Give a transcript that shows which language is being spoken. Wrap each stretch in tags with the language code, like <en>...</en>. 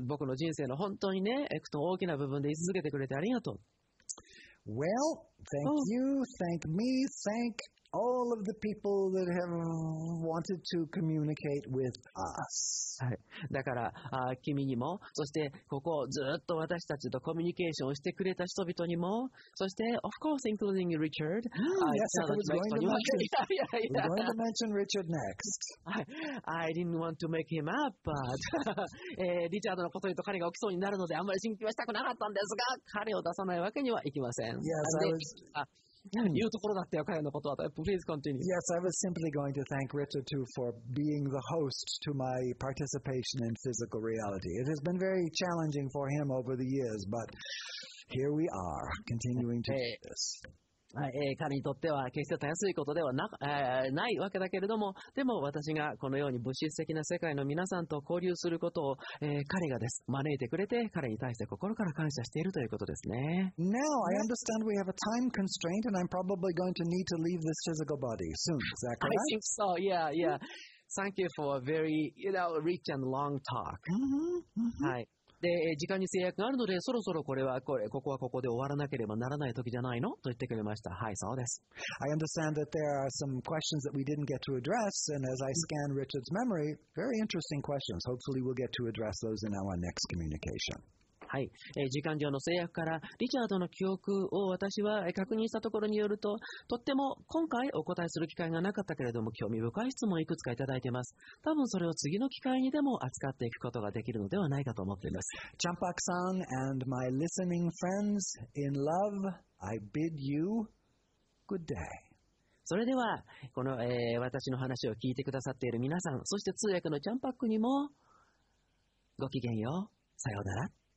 <ja>僕の人生の本当にね、エクトン大きな部分で居続けてくれてありがとう。</ja> <en>Well, thank you, thank me, thank you. All of the people that have wanted to communicate with us.</en> <ja>はい。だから、君にも、そしてここをずっと私たちとコミュニケーションをしてくれた人々にも、そして、</ja> <en>of course, including Richard. Yes, I was going to mention Richard next. I didn't want to make him up, but</en> <ja>リチャードのことにと彼が起きそうになるので、あんまり心配したくなかったんですが、彼を出さないわけにはいきません。</ja> <en>Yes, I was...</en> <ja>言うところだったよ、彼のことは。</ja> <en>Please continue. Yes, I was simply going to thank Richard too for being the host to my participation in physical reality. It has been very challenging for him over the years, but here we are, continuing to do this.</en> <ja>彼にとっては決してたやすいことではないわけだけれども、でも私がこのように物質的な世界の皆さんと交流することを、彼がです、招いてくれて、彼に対して心から感謝しているということですね。</ja> <en>Now, I understand we have a time constraint and I'm probably going to need to leave this physical body soon. Is that correct? I think so, yeah, yeah. Thank you for a very, you know, rich and long talk.</en> <ja>はい。で時間に制約があるのでそろそろここはここで終わらなければならない時じゃないのと言ってくれました。はい、そうです。</ja> <en>I understand that there are some questions that we didn't get to address, and as I scan Richard's memory, very interesting questions. Hopefully we'll get to address those in our next communication.</en> <ja>はい、時間上の制約からリチャードの記憶を私は確認したところによると、とっても今回お答えする機会がなかったけれども興味深い質問いくつかいただいています。多分それを次の機会にでも扱っていくことができるのではないかと思っています。</ja> <en>チャンパクさん and my listening friends, in love, I bid you good day.</en> <ja>それではこの、私の話を聞いてくださっている皆さん、そして通訳のチャンパックにもごきげんよう、さようなら。</ja>